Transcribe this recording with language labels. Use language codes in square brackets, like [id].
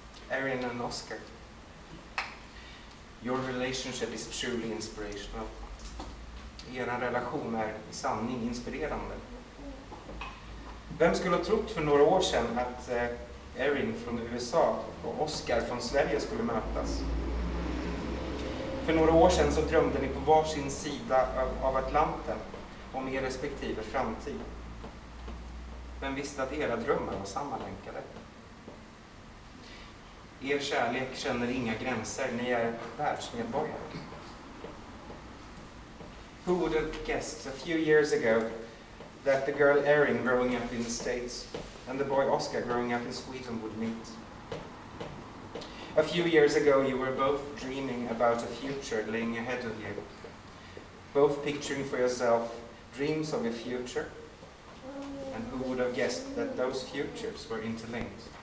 [en] Erin and Oskar, your relationship is truly inspirational. [sv] Er relation är i sanning inspirerande. Vem skulle ha trott för några år sedan att Erin från USA och Oskar från Sverige skulle mötas? För några år sedan så drömde ni på varsin sida av Atlanten om er respektive framtid. Vem visste att era drömmar var sammanlänkade? Er kärlek känner inga gränser, ni är världsmedborgare. [en] Who would have guessed a few years ago that the girl Erin growing up in the States and the boy Oskar growing up in Sweden would meet? A few years ago you were both dreaming about a future laying ahead of you, both picturing for yourself dreams of a future, and who would have guessed that those futures were interlinked?